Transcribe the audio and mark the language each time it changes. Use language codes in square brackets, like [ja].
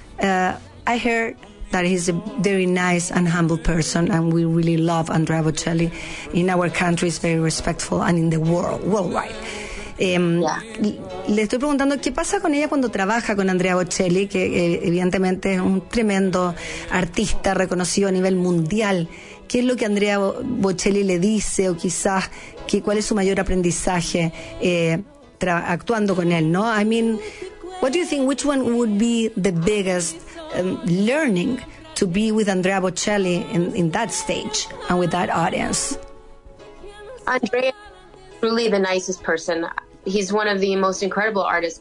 [en] I heard that he's a very nice and humble person, and we really love Andrea Bocelli in our country. He's very respectful, and in the world, worldwide. [es] Le estoy preguntando qué pasa con ella cuando trabaja con Andrea Bocelli, que evidentemente es un tremendo artista reconocido a nivel mundial. ¿Qué es lo que Andrea Bocelli le dice, o quizás que, cuál es su mayor aprendizaje actuando con él, ¿no? [en] I mean, what do you think, which one would be the biggest learning to be with Andrea Bocelli in that stage and with that audience? Andrea, truly the nicest person. He's one of the most incredible artists.